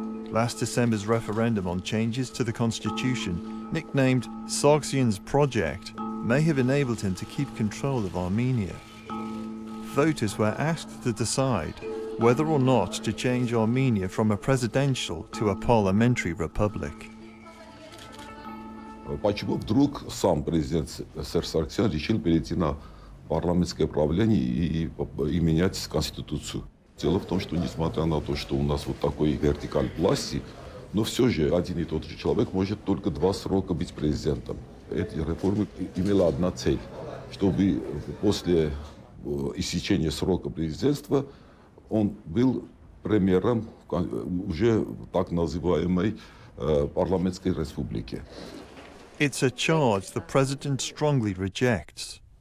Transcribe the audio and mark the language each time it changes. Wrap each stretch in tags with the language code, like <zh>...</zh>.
<en>Last December's referendum on changes to the constitution, nicknamed Sargsyan's Project, may have enabled him to keep control of Armenia. Voters were asked to decide whether or not to change Armenia from a presidential to a parliamentary republic.</en> <ru>Почему вдруг сам президент Сарксян решил перейти на парламентское правление и менять конституцию? Дело в том, что несмотря на то, что у нас вот такой вертикаль власти, но все же один и тот же человек может только два срока быть президентом. Эта реформа имела одна цель, чтобы после истечения срока президентства он был премьером уже так называемой парламентской республики.</ru> <en>It's a charge the president strongly rejects.</en>